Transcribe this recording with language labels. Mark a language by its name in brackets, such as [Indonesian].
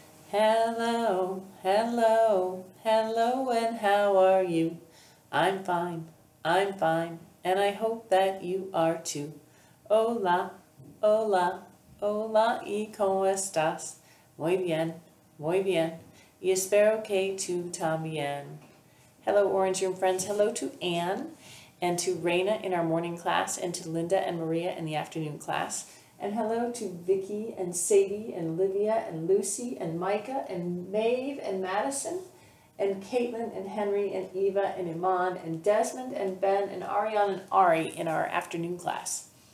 [English] Hello, hello, hello, and how are you? I'm fine, and I hope that you are too. [Spanish] Hola, hola, hola, y cómo estás? Muy bien, y espero que tú también. [English] Hello, Orange Room friends. Hello to Anne and to Raina in our morning class, and to Linda and Maria in the afternoon class. And hello to Vicky and Sadie and Livia and Lucy and Micah and Maeve and Madison and Caitlin and Henry and Eva and Iman and Desmond and Ben and Ariane and Ari in our afternoon class.